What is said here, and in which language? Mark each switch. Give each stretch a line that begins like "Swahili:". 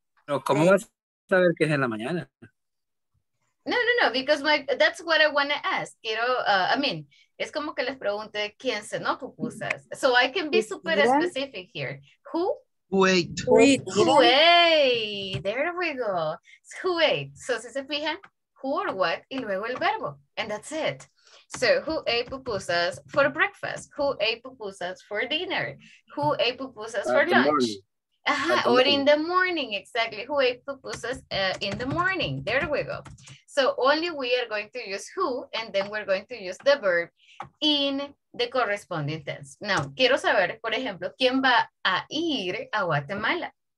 Spanish: No, ¿cómo vas a saber que es en la mañana?
English: No, no, no, because my, that's what I want to ask.
Spanish: Quiero,
English: I mean,
Spanish: es como que les pregunte quién cenó pupusas.
English: So I can be super specific here. Who? Who ate? There we go. Who ate? So
Spanish: si se fijan,
English: who or what,
Spanish: y luego el verbo.
English: And that's it. So who ate pupusas for breakfast? Who ate pupusas for dinner? Who ate pupusas for lunch? Uh-huh. Or in the morning, exactly. Who ate pupusas in the morning? There we go. So only we are going to use who, and then we're going to use the verb in the corresponding tense.
Spanish: Now, quiero saber, por ejemplo, ¿quién va a ir a Guatemala?